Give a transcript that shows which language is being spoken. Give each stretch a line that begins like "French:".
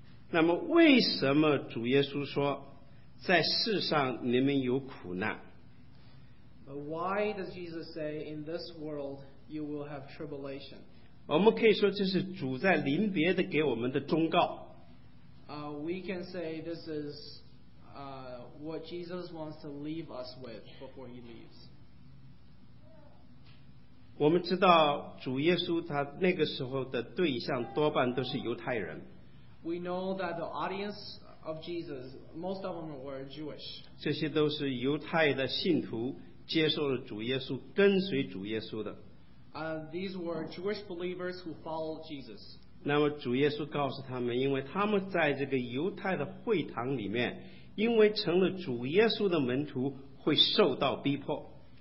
Chinese: 那么为什么主耶稣说在世上你们有苦难
English: ？But why does Jesus say in this world? You will have tribulation.
Chinese: 我们可以说这是主在临别的给我们的忠告。
English: We can say this is what Jesus wants to leave us with before he leaves.
Chinese: 我们知道主耶稣他那个时候的对象多半都是犹太人。
English: We know that the audience of Jesus, most of them were Jewish.
Chinese: 这些都是犹太的信徒接受了主耶稣跟随主耶稣的。
English: These were Jewish believers who followed Jesus.
Chinese: 那么主耶稣告诉他们，因为他们在这个犹太的会堂里面，因为成了主耶稣的门徒，会受到逼迫。